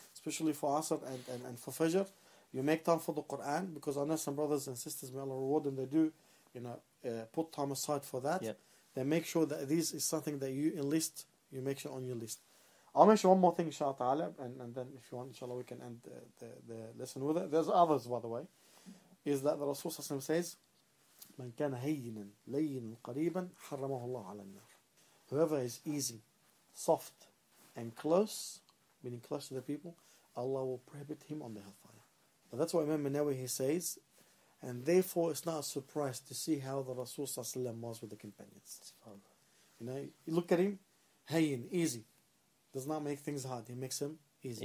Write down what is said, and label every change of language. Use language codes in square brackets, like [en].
[en] Especially for Asr and for Fajr, you make time for the Quran, because I know some brothers and sisters, may Allah reward them, they do put time aside for that. Yep. Then make sure that this is something that you enlist, you make sure on your list. I'll mention one more thing, inshallah ta'ala, and then if you want, inshallah, we can end the lesson with it. There's others, by the way. Is that the Rasulullah says, [ar] مَنْ كَانَ هَيِّنًا لَيِّنًا قَرِيبًا حَرَّمَهُ اللَّهُ عَلَى النَّارِ. [en] Whoever is easy, soft, and close, meaning close to the people, Allah will prohibit him on the hellfire. But that's what Imam Nawawi, he says, and therefore it's not a surprise to see how the Rasul was with the companions. You know, you look at him, hayin, easy. Does not make things hard, he makes them easy.